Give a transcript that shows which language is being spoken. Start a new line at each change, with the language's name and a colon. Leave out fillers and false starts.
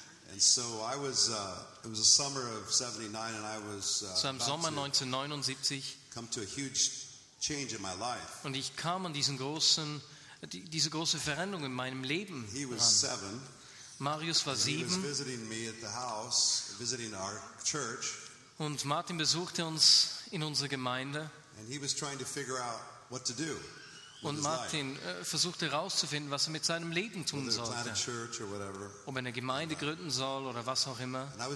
English: And so I was it was the summer of 79 and I was
German: so im Sommer 1979
English: come to a huge change in my life.
German: Und ich kam an diesen großen diese große Veränderung in meinem Leben.
English: He was ran. 7.
German: Marius war 7.
English: He was visiting me at the house, visiting our church.
German: Und Martin besuchte uns in unserer Gemeinde.
English: And he was trying to figure out what to do.
German: Und Martin versuchte herauszufinden, was er mit seinem Leben tun sollte.
English: Whatever,
German: ob er eine Gemeinde gründen soll oder was auch immer.